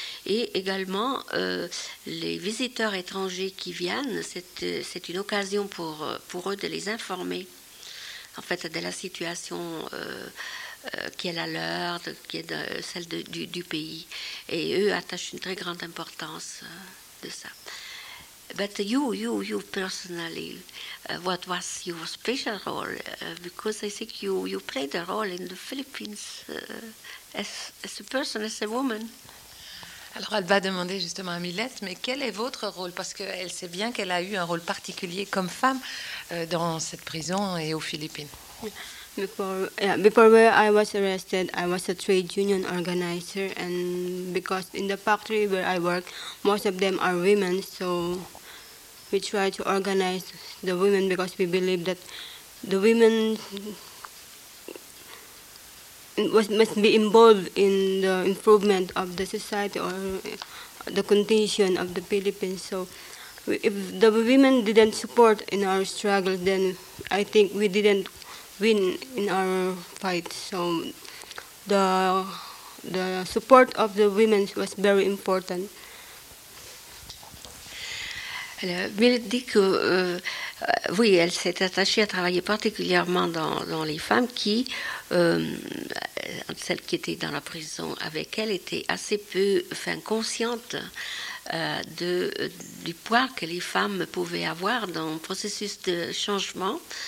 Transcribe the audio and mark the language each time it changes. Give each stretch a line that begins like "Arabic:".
French: Et également, les visiteurs étrangers qui viennent, c'est une occasion pour eux de les informer, en fait, de la situation qui est la leur, qui est celle du pays. Et eux attachent une très grande importance de ça.
English: But you personally, what was your special role? Because I think you played a role in the Philippines as a person, as a woman.
French: Alors, elle va demander justement à Milette, mais quel est votre rôle? Parce qu'elle sait bien qu'elle a eu un rôle particulier comme femme dans cette prison et aux Philippines.
English: Before I was arrested, I was a trade union organizer, and because in the factory where I work, most of them are women, so we try to organize the women because we believe that the women must be involved in the improvement of the society or the condition of the Philippines. So if the women didn't support in our struggle, then I think we didn't win in our fight. So the support of the women was very important.
French: Milette dit que oui, elle s'est attachée à travailler particulièrement dans les femmes qui, celles qui étaient dans la prison avec elle, étaient assez peu, enfin, conscientes du poids que les femmes pouvaient avoir dans le processus de changement.